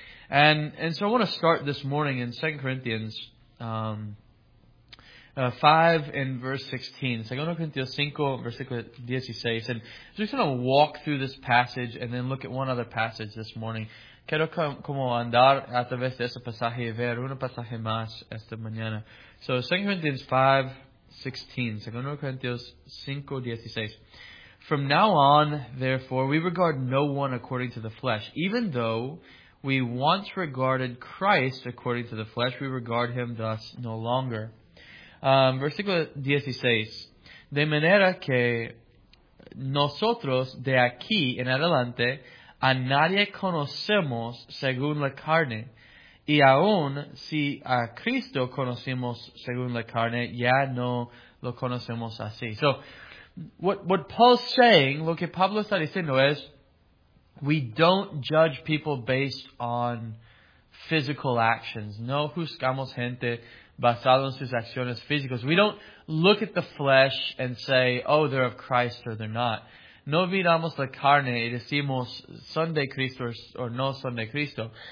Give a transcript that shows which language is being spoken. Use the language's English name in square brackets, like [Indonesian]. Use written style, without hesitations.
[English] And so I want to start this morning in 2 Corinthians 5 and verse 16. 2 Corinthians 5, versículo 16. And so we're just going to walk through this passage and then look at one other passage this morning. [Spanish] Quiero como andar a través de ese pasaje y ver un pasaje más esta mañana. [English] So 2 Corinthians 5, 16. 2 Corinthians 5, 16. From now on, therefore, we regard no one according to the flesh. Even though we once regarded Christ according to the flesh, we regard him thus no longer. [Spanish] Versículo 16. De manera que nosotros de aquí en adelante a nadie conocemos según la carne. Y aún si a Cristo conocemos según la carne, ya no lo conocemos así. [English] So, what Paul's saying, [Spanish] lo que Pablo está diciendo es, [English] we don't judge people based on physical actions. [Spanish] No juzgamos gente basado en sus acciones físicas. [English] We don't look at the flesh and say, oh, they're of Christ or they're not. [Spanish] No miramos la carne y decimos, son de Cristo o no son de Cristo.